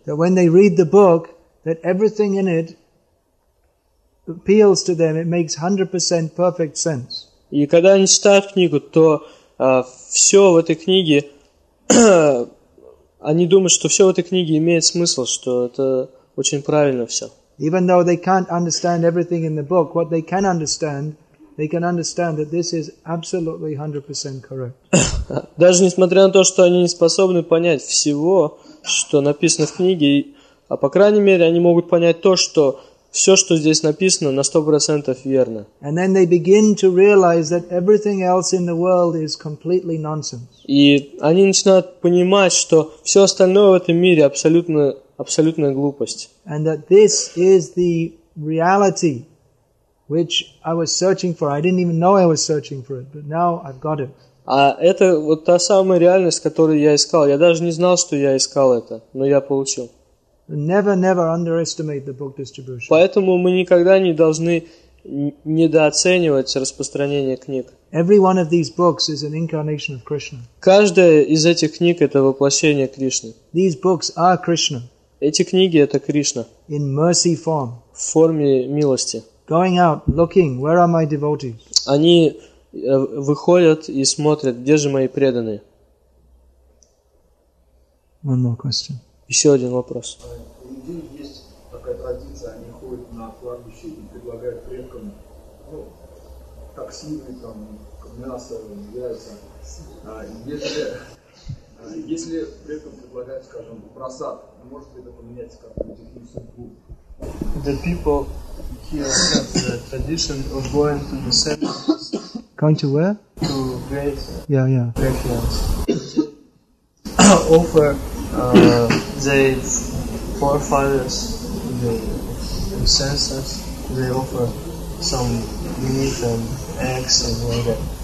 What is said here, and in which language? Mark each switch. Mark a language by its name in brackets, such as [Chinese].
[English] That when they read the book, that everything in it appeals to them, it makes 100% perfect sense. [Russian] И когда они читают книгу, то все в этой книге, они думают, что все в этой книге имеет смысл, что это очень правильно все. [English] Even though they can't understand everything in the book, what they can understand that this is absolutely 100% correct. [Russian] Даже несмотря на то, что они не способны понять всего, что написано в книге, а по крайней мере они могут понять то, что все, что здесь написано, на 100% верно. [English] And then they begin to realize that everything else in the world is completely nonsense. [Russian] И они начинают понимать, что все остальное в этом мире абсолютная глупость. [English] And that this is the reality which I was searching for. I didn't even know I was searching for it, but now I've got it. [Russian] А это вот та самая реальность, которую я искал. Я даже не знал, что я искал это, но я получил. [English] Never underestimate the book distribution. [Russian] Поэтому мы никогда не должны недооценивать распространение книг. [English] Every one of these books is an incarnation of Krishna. [Russian] Каждая из этих книг – это воплощение Кришны. [English] These books are Krishna. [Russian] Эти книги – это Кришна. [English] In mercy form. [Russian] В форме милости. [English] Going out, looking, where are my devotees? [Russian] Они выходят и смотрят, где же мои преданные. [English] One more question. [Russian] Еще один вопрос. У людей есть такая традиция, они ходят на кладбище и предлагают предкам токсины, там, мясо, яйца. Если предкам предлагают, скажем, просад, может ли это поменять как-то технику судьбу? [English] The people here have the tradition of going to the center. Going to where? To graves. Yeah, yeah. Graveyards. Offer their forefathers, the ancestors, they offer some meat and eggs and all that.